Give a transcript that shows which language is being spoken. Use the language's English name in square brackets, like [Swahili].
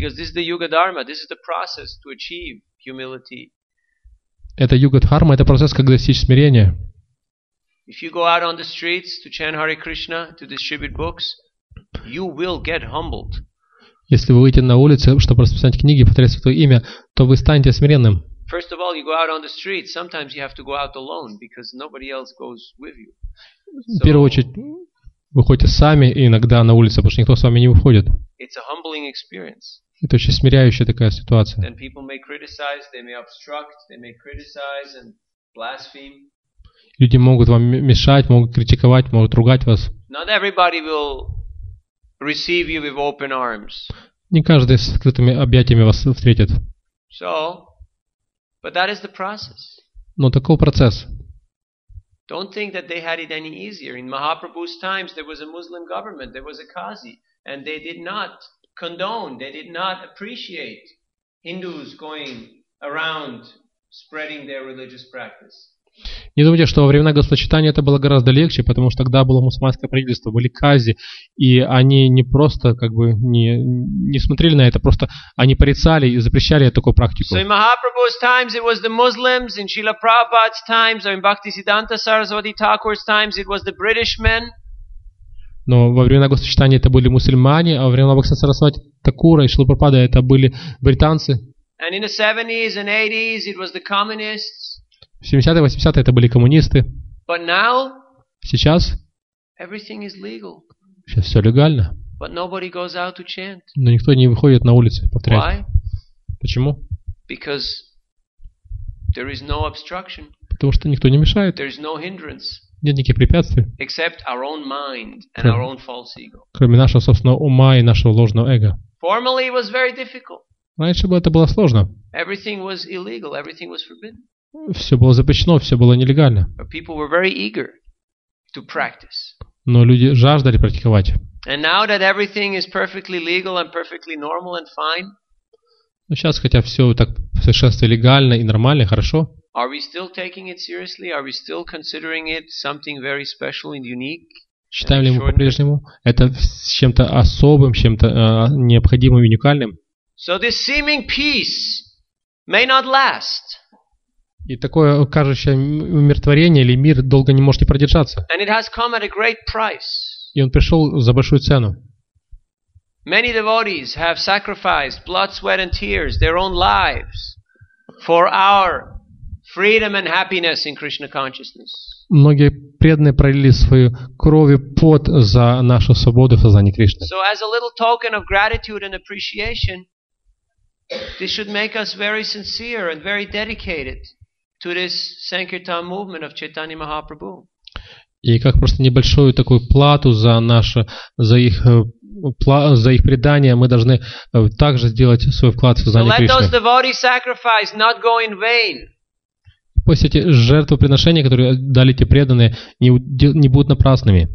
[English] Because this is the Yuga Dharma, this is the process to achieve humility. [Russian] Это юга-дхарма, это процесс, как достичь смирения. [English] If you go out on the streets to chant Hare Krishna, to distribute books, you will get humbled. [Russian] Если вы выйдете на улицу, чтобы распространять книги, повторять Святое Имя, то вы станете смиренным. [English] First of all, you go out on the street. Sometimes you have to go out alone because nobody else goes with you. [Russian] В первую очередь, вы ходите сами иногда на улице, потому что никто с вами не выходит. [English] It's a humbling experience. [Russian] Это очень смиряющая такая ситуация. [English] Then people may criticize, they may obstruct, they may criticize and blaspheme. [Russian] Люди могут вам мешать, могут критиковать, могут ругать вас. [English] Not everybody will receive you with open arms. [Russian] Не каждый с открытыми объятиями вас встретит. [English] So, but that is the process. [Russian] Но такой процесс. [English] Don't think that they had it any easier. In Mahaprabhu's times, there was a Muslim government, there was a Qazi, and they did not condone, they did not appreciate Hindus going around spreading their religious practice. [Russian] Не думайте, что во времена Господа Читания это было гораздо легче, потому что тогда было мусульманское правительство, были кази, и они не просто как бы не смотрели на это, просто они порицали и запрещали такую практику. [English] So in Mahaprabhu's times it was the Muslims, in Srila Prabhupada's times, or in Bhaktisiddhanta Saraswati Thakur's times it was the British men. [Russian] Но во времена Господа Читания это были мусульмане, а во времена Бхактисиддханта Сарасвати Такура и Шрила Прабхупады это были британцы. [English] And in the 70s and 80s it was the communists. [Russian] В 70-е, 80-е это были коммунисты. [English] But now, [Russian] сейчас [English] everything is legal. [Russian] Сейчас все легально. [English] But nobody goes out to chant. [Russian] Но никто не выходит на улицы повторять. [English] Why? [Russian] Почему? [English] Because there is no obstruction. [Russian] Потому что никто не мешает. [English] There is no hindrance. [Russian] Нет никаких препятствий. [English] Except our own mind and our own false ego. [Russian] Кроме нашего собственного ума и нашего ложного эго. [English] Formerly it was very difficult. [Russian] Раньше это было сложно. [English] Everything was illegal, everything was forbidden. [Russian] Все было запрещено, все было нелегально. [English] But people were very eager to practice. [Russian] Но люди жаждали практиковать. [English] And now that everything is perfectly legal and perfectly normal and fine. [Russian] Но сейчас, хотя все так совершенно легально и нормально, хорошо. [English] Are we still taking it seriously? Are we still considering it something very special and unique? [Russian] Считаем ли мы по-прежнему это чем-то особым, чем-то необходимым и уникальным? [English] So this seeming peace may not last. [Russian] И такое кажущее умиротворение или мир долго не может не продержаться. И он пришел за большую цену. [English] Many devotees have sacrificed blood, sweat and tears, their own lives for our freedom and happiness in Krishna consciousness. [Russian] Многие преданные пролили свою кровь и пот за нашу свободу в сознании Кришны. [English] So as a little token of gratitude and appreciation, this should make us very sincere and very dedicated to this Sankirtan movement of Chaitanya Mahaprabhu. [Russian] И как просто небольшую такую плату за наше, за их предание, мы должны также сделать свой вклад в сознание Кришны. [English] Let those devotee sacrifice not go in vain. [Russian] Пусть эти жертвоприношения, которые дали эти преданные, не будут напрасными.